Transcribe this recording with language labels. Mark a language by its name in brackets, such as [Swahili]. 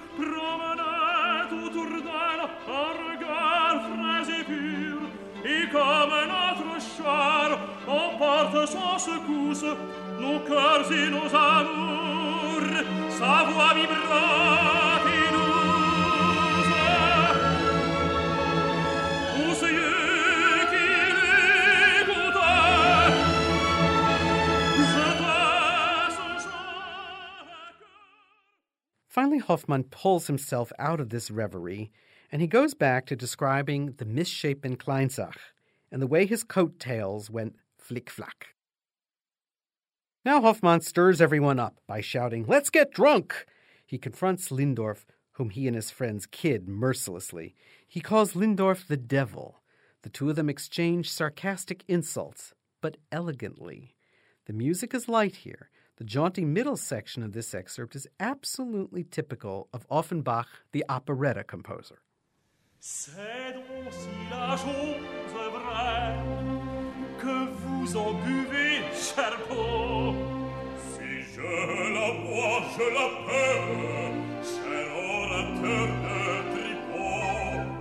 [French] Promenait autour d'elle un regard frais et pur, et comme notre char emporte sans secousse nos cœurs et nos amours, sa voix vibrante et douce. Aux yeux qui l'écoutaient, je passe chaque... [English] Finally, Hoffmann pulls himself out of this reverie, and he goes back to describing the misshapen Kleinsach and the way his coattails went flick-flack. Now Hoffmann stirs everyone up by shouting, "Let's get drunk!" He confronts Lindorf, whom he and his friends kid mercilessly. He calls Lindorf the devil. The two of them exchange sarcastic insults, but elegantly. The music is light here. The jaunty middle section of this excerpt is absolutely typical of Offenbach, the operetta composer. [French] C'est aussi la chose vraie que vous en buvez, cher pot. Si je la bois, je la peux, cher orateur de tripot.